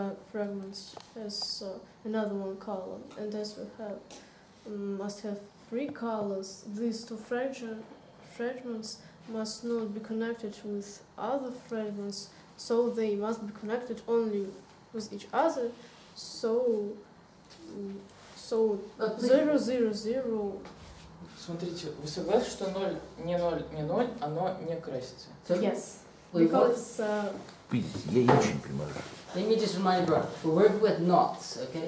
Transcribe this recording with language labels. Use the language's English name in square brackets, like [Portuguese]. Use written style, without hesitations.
[English] fragments has another one color, and as we have must have three colors, these two fragments must not be connected with other fragments, so they must be connected only with each other, so 0, 0, 0. [Russian] Смотрите, вы согласны, что ноль не ноль, не ноль, оно не красится? [English] Yes. Because... [Russian] Please, я не очень понимаю. [English] Let me just remind you, we work with knots, okay?